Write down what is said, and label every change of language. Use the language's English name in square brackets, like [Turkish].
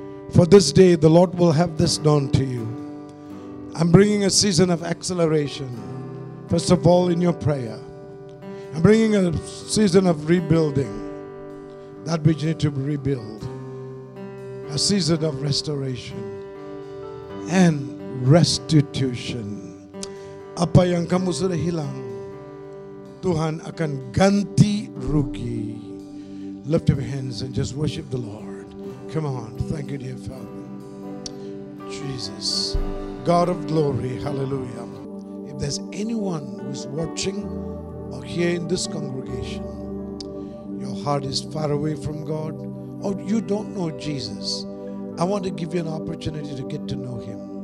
[English] For this day, the Lord will have this done to you. I'm bringing a season of acceleration. First of all, in your prayer. I'm bringing a season of rebuilding. That which you need to rebuild. A season of restoration and restitution. [Indonesian] Apa yang kamu sudah hilang, Tuhan akan ganti rugi. [English] Lift up your hands and just worship the Lord. Come on. Thank you, dear Father. Jesus, God of glory. Hallelujah. If there's anyone who's watching or here in this congregation, your heart is far away from God, or you don't know Jesus, I want to give you an opportunity to get to know Him.